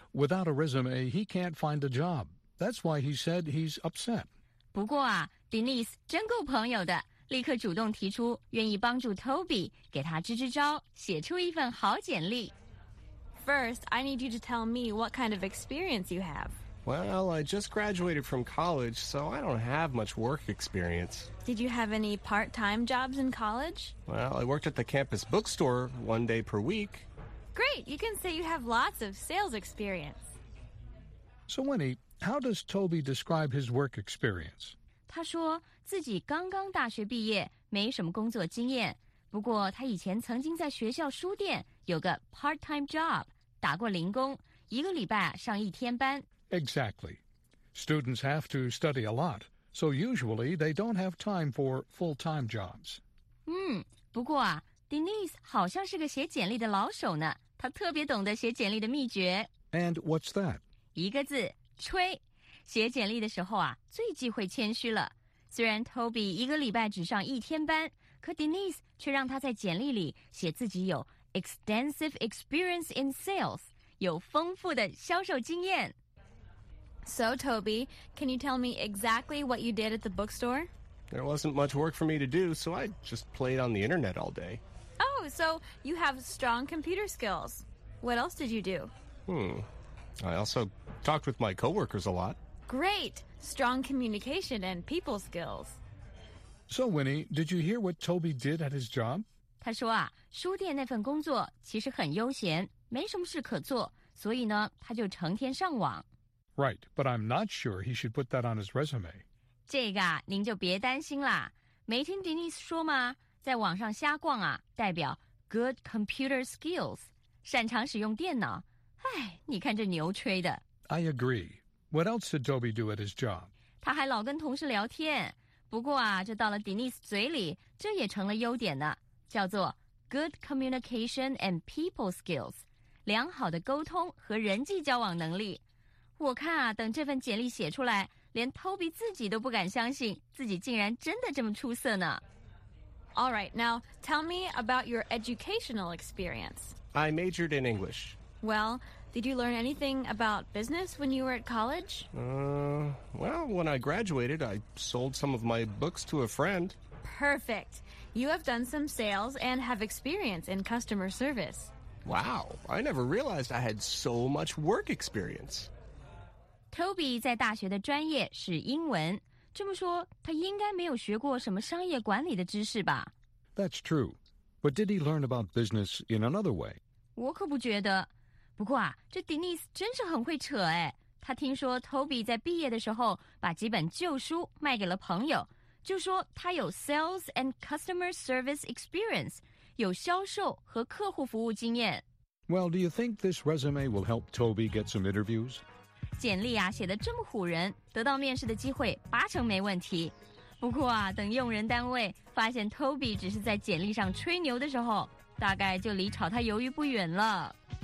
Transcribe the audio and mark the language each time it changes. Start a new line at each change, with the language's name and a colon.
English: Without a resume, he can't find a job. That's why he said he's upset.
Chinese: 不过啊 ,Denise 真够朋友的，立刻主动提出愿意帮助 Toby 给他支支招，写出一份好简历。
English: First, I need you to tell me what kind of experience you have. Well, I just graduated from college, so I don't have much work experience. Did you have any part-time jobs in college? Well, I worked at the campus bookstore one day per week. Great! You can say you have lots of sales experience. So, Winnie, how does Toby describe his work experience?
Chinese: 他说自己刚刚大学毕业，没什么工作经验。不过他以前曾经在学校书店有个
English: part-time job,
Chinese: 打过零工，一个礼拜上一天班。
English: Exactly. Students have to study a lot, so usually they don't have time for full-time jobs.
Chinese: 不过啊 ,Denise 好像是个写简历的老手呢，他特别懂得写简历的秘诀。
English: And what's that?
Chinese: 一个字，吹。写简历的时候啊，最忌讳谦虚了。虽然 Toby 一个礼拜只上一天班，可 Denise 却让他在简历里写自己有
English: extensive experience in sales,
Chinese: 有丰富的销售经验。
English: So, Toby, can you tell me exactly what you did at the bookstore? There wasn't much work for me to do, so I just played on the internet all day. Oh, so you have strong computer skills. What else did you do? I also talked with my coworkers a lot. Great! Strong communication and people skills. So, Winnie, did you hear what Toby did at his job?
Chinese: 他说啊，书店那份工作其实很悠闲，没什么事可做，所以呢，他就成天上网。
English: Right, but I'm not sure he should put that on his resume.
Chinese: 这个啊，您就别担心啦。没听 Denise 说吗？在网上瞎逛啊，代表
English: good computer skills,
Chinese: 擅长使用电脑。哎，你看这牛吹的。
English: I agree. What else did Toby do at his job?
Chinese: 他还老跟同事聊天。不过啊，这到了 Denise 嘴里，这也成了优点呢，叫做
English: good communication and people skills,
Chinese: 良好的沟通和人际交往能力。我看啊，等这份简历写出来，连 Toby 自己都不敢相信自己竟然真的这么出色呢。
English: All right, now tell me about your educational experience. I majored in English. Well, did you learn anything about business when you were at college? When I graduated, I sold some of my books to a friend. Perfect. You have done some sales and have experience in customer service. Wow, I never realized I had so much work experience.
Chinese: Toby 在大学的专业是英文，这么说他应该没有学过什么商业管理的知识吧。
English: That's true. But did he learn about business in another way?
Chinese: 我可不觉得。不过啊，这 Denise 真是很会扯哎。他听说 Toby 在毕业的时候把几本旧书卖给了朋友，就说他有
English: sales and customer service experience,
Chinese: 有销售和客户服务经验。
English: Well, do you think this resume will help Toby get some interviews?
Chinese: 简历啊写得这么唬人，得到面试的机会八成没问题。不过啊，等用人单位发现 Toby 只是在简历上吹牛的时候，大概就离炒他鱿鱼不远了。